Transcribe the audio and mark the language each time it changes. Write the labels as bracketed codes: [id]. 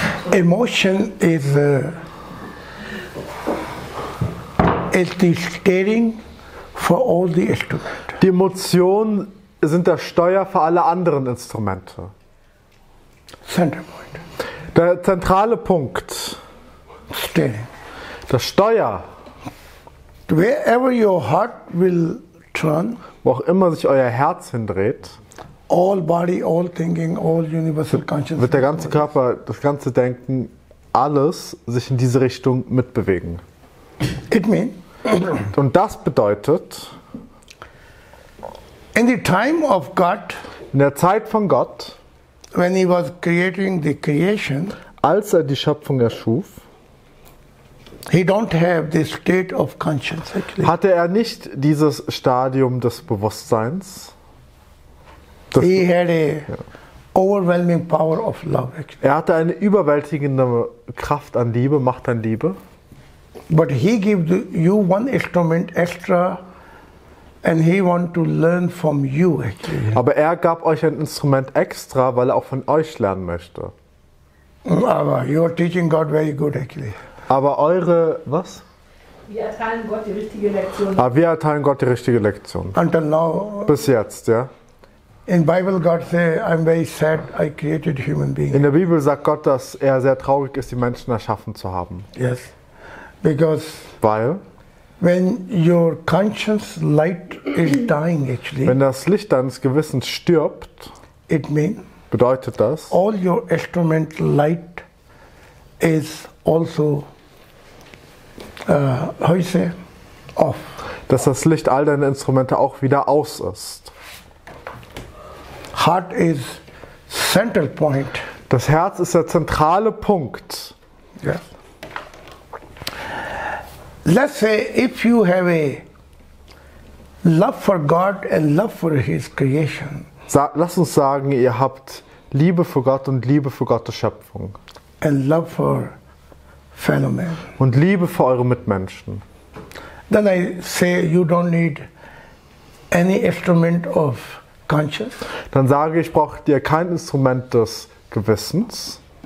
[en] Emotion is the steering for all the instruments. [de] Die Emotionen sind das Steuer für alle anderen Instrumente. [en] Center point. [de] Der zentrale Punkt. [en] Steering. [de] Das Steuer. [en] Wherever your heart will turn. [de] Wo auch immer sich euer Herz hindreht. [en] All body, all thinking, all universal consciousness. [de] Wird der ganze Körper, das ganze Denken, alles sich in diese Richtung mitbewegen. [en] It means. [de] Und das bedeutet. [en] In the time of God. [de] In der Zeit von Gott. [en] When he was creating the creation. [de] Als er die Schöpfung erschuf. [en] He don't have the state of conscience actually. [de] Hatte er nicht dieses Stadium des Bewusstseins. [en] He had a overwhelming power of love. [de] Er hatte eine überwältigende Kraft an Liebe, Macht an Liebe. [en] But he gave you one instrument extra, and he wanted to learn from you. [de] Aber er gab euch ein Instrument extra, weil er auch von euch lernen möchte. [en] Aber you're teaching God very good actually. [de] Aber eure was? Wir erteilen Gott die richtige Lektion. Aber wir erteilen Gott die richtige Lektion. [en] Until now. [de] Bis jetzt, ja. [en] In Bible God say I'm very sad I created human being. [de] In der Bibel sagt Gott, dass er sehr traurig ist, die Menschen erschaffen zu haben. [en] Yes. Because [de] weil [en] when your conscience light is dying actually. [de] Wenn das Licht deines Gewissens stirbt, [en] it mean [de] bedeutet das [en] all your instrument light is also heute off. [de] Dass das Licht all deiner Instrumente auch wieder aus ist. [en] Heart is central point. [de] Das Herz ist der zentrale Punkt. [en] Yes. Let's say if you have a love for God and love for His creation. [de] Lass uns sagen, ihr habt Liebe für Gott und Liebe für Gottes Schöpfung. [en] And love for fellow man. [de] Und Liebe für eure Mitmenschen. [en] Then I say you don't need any instrument of conscious. [de] Dann sage ich, braucht ihr kein Instrument des Gewissens.